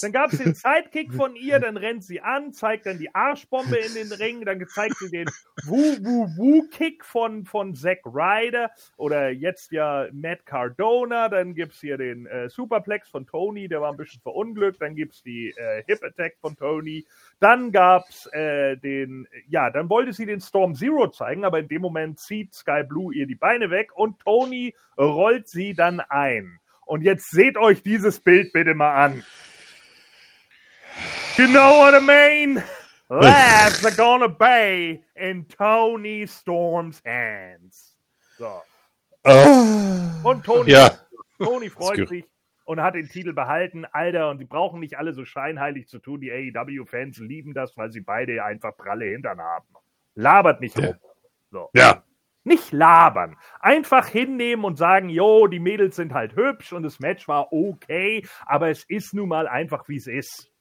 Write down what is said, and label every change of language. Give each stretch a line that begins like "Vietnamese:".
German: Dann gab es den Sidekick von ihr, dann rennt sie an, zeigt dann die Arschbombe in den Ring, dann zeigt sie den Woo-Woo-Woo-Kick von Zack Ryder oder jetzt ja Matt Cardona, dann gibt es hier den Superplex von Tony, der war ein bisschen verunglückt, dann gibt es die Hip-Attack von Tony, dann gab es dann wollte sie den Storm Zero zeigen, aber in dem Moment zieht Sky Blue ihr die Beine weg und Tony rollt sie dann ein. Und jetzt seht euch dieses Bild bitte mal an.
English: You know what I mean? Laughs are gonna be in Tony Storm's hands. So.
German: Und Tony. Ja. Tony freut sich und hat den Titel behalten. Alter, und die brauchen nicht alle so scheinheilig zu tun. Die AEW-Fans lieben das, weil sie beide einfach pralle Hintern haben. Labert nicht rum. So. Ja. Nicht labern. Einfach hinnehmen und sagen, jo, die Mädels sind halt hübsch und das Match war okay, aber es ist nun mal einfach, wie es ist.